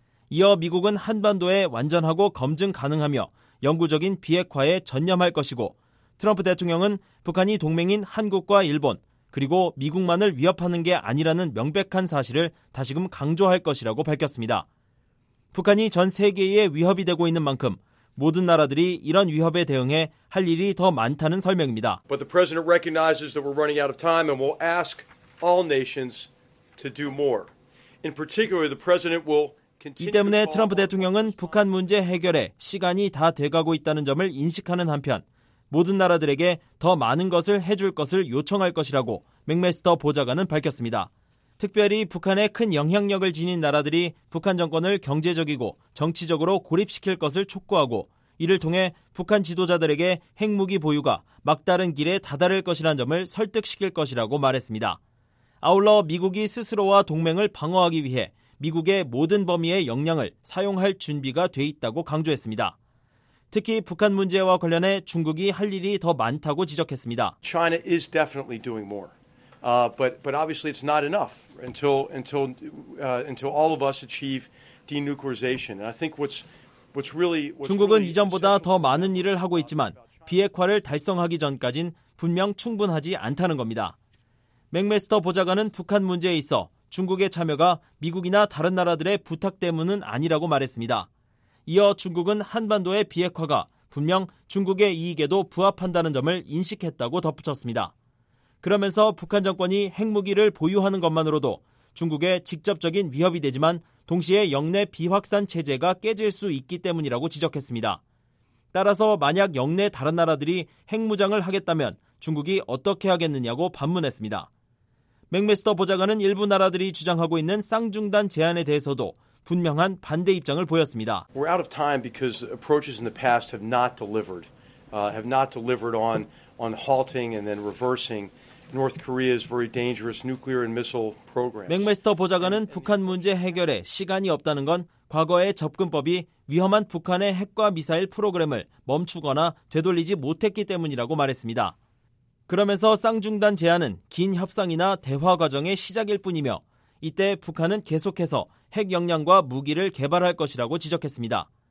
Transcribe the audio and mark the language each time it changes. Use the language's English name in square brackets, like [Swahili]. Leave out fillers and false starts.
[Korean] 이어 미국은 한반도에 완전하고 검증 가능하며 영구적인 비핵화에 전념할 것이고 트럼프 대통령은 북한이 동맹인 한국과 일본 그리고 미국만을 위협하는 게 아니라는 명백한 사실을 다시금 강조할 것이라고 밝혔습니다. 북한이 전 세계에 위협이 되고 있는 만큼 모든 나라들이 이런 위협에 대응해 할 일이 더 많다는 설명입니다. [English] But the president recognizes that we're running out of time and will ask all nations to do more. In particular, the president will [Korean] 이 때문에 트럼프 대통령은 북한 문제 해결에 시간이 다 돼가고 있다는 점을 인식하는 한편 모든 나라들에게 더 많은 것을 해줄 것을 요청할 것이라고 맥메스터 보좌관은 밝혔습니다. 특별히 북한에 큰 영향력을 지닌 나라들이 북한 정권을 경제적이고 정치적으로 고립시킬 것을 촉구하고 이를 통해 북한 지도자들에게 핵무기 보유가 막다른 길에 다다를 것이라는 점을 설득시킬 것이라고 말했습니다. 아울러 미국이 스스로와 동맹을 방어하기 위해 미국의 모든 범위의 역량을 사용할 준비가 돼 있다고 강조했습니다. 특히 북한 문제와 관련해 중국이 할 일이 더 많다고 지적했습니다. [English] China is definitely doing more. But obviously it's not enough until all of us achieve denuclearization. And I think what's really [Korean] 중국은 이전보다 더 많은 일을 하고 있지만 비핵화를 달성하기 전까진 분명 충분하지 않다는 겁니다. 맥메스터 보좌관은 북한 문제에 있어 중국의 참여가 미국이나 다른 나라들의 부탁 때문은 아니라고 말했습니다. 이어 중국은 한반도의 비핵화가 분명 중국의 이익에도 부합한다는 점을 인식했다고 덧붙였습니다. 그러면서 북한 정권이 핵무기를 보유하는 것만으로도 중국의 직접적인 위협이 되지만 동시에 영내 비확산 체제가 깨질 수 있기 때문이라고 지적했습니다. 따라서 만약 영내 다른 나라들이 핵무장을 하겠다면 중국이 어떻게 하겠느냐고 반문했습니다. 맥메스터 보좌관은 일부 나라들이 주장하고 있는 쌍중단 제안에 대해서도 분명한 반대 입장을 보였습니다. [English] We're out of time because approaches in the past have not delivered on halting and then reversing North Korea's very dangerous nuclear and missile program. [Korean] 맥메스터 보좌관은 북한 문제 해결에 시간이 없다는 건 과거의 접근법이 위험한 북한의 핵과 미사일 프로그램을 멈추거나 되돌리지 못했기 때문이라고 말했습니다. 그러면서 쌍중단 제안은 긴 협상이나 대화 과정의 시작일 뿐이며 이때 북한은 계속해서 핵 역량과 무기를 개발할 것이라고 지적했습니다.